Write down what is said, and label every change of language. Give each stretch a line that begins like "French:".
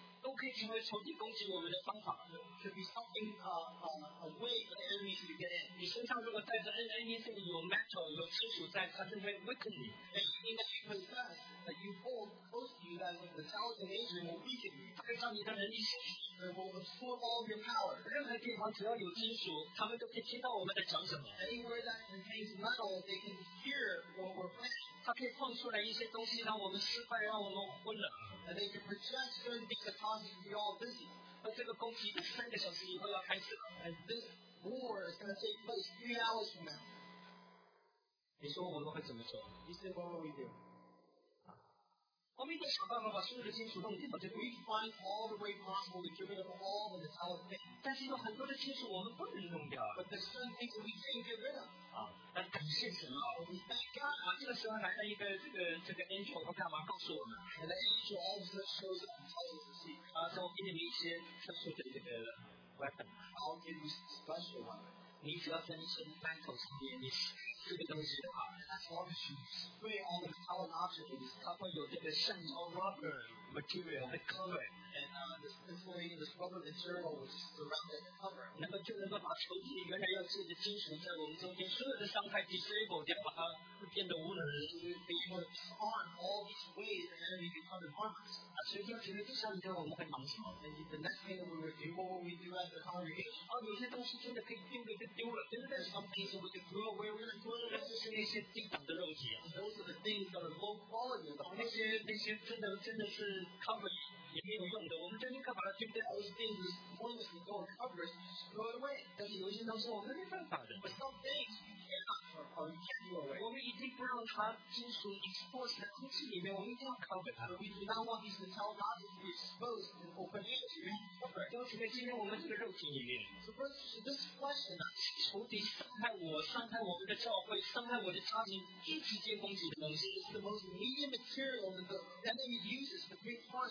Chinese: 都可以成为仇敌攻击我们的方法。
English: Should be something a way for the enemy to get in.
Chinese: 你身上如果带着 anything 有 metal 有金属在，它就会 weaken 你。
English: Anything that you possess that you hold close to you that is metallic in nature will weaken you.
Chinese: 它会让你的能力失
English: 去。It will absorb all of your power.
Chinese: 任何地方只要有金属，他们都可以听到我们在讲什么。
English: Anywhere that contains metal, they can hear what we're planning.
Chinese: 它可以放出来一些东西让我们失败让我们昏了
English: they can project certain things that cause you to be all busy
Chinese: 那这个攻击三个小时以后要开始了
English: and this war is going to take place 3 hours from now
Chinese: 你说我们会怎么做
English: you say what will we do
Chinese: 我们一定想办法把所有的金属弄掉
English: we find all the way possible to get rid of all the metallic things
Chinese: 但是有很多的金属我们不能弄掉
English: but there's certain things that we can't get rid of
Chinese: 那感谢神啊！啊，这个时候来了一个这个 angel， 他干嘛告诉我们
English: ？And the angel also shows up and tells us to see。
Chinese: 啊，让我给你们一些特殊的这个 weapon。
English: I'll give you special weapon。
Chinese: 你只要在你身上头上面，你这个东西的话
English: ，as long as you spray all the metallic objects，
Chinese: 它会有这个橡胶
English: rubber material to cover。 And this way, this rubber material was surrounded and covered. And we were able to disarm all these ways that enemy can come and harm us. And the next thing that we would do, what would we do as a congregation? Oh, there's something that we can throw away. We're going to throw away. Those are the things that are low quality. Those are the things that are covered.
Chinese: 我们真的可把它丢掉
English: those things we pointlessly go and cover it throw it away
Chinese: 但是有些东西我们没办法的
English: but some things we cannot or we can't do away
Chinese: 我们一定不让它金属 exposed 在空气里面我们一定要 cover 它
English: we do not want these metallic objects to be exposed and open air to be covered
Chinese: 就是在今天我们这个肉体里面
English: so first this question
Chinese: 仇敌伤害我伤害我们的教会伤害我的家庭一直接攻击的东西
English: this is the most immediate material that the enemy uses to bring harm